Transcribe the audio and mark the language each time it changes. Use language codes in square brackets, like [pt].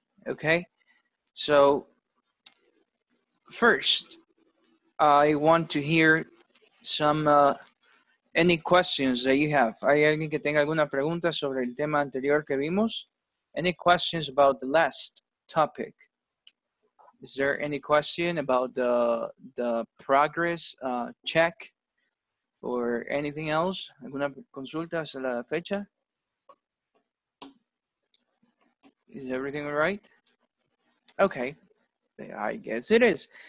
[en] Okay, so first, I want to hear some any questions that you have. [es] ¿Hay alguien que tenga alguna pregunta sobre el tema anterior que vimos? [en] Any questions about the last topic? Is there any question about the progress check or anything else? [es] ¿Alguna consulta sobre la fecha? [en] Is everything all right? Okay, I guess it is.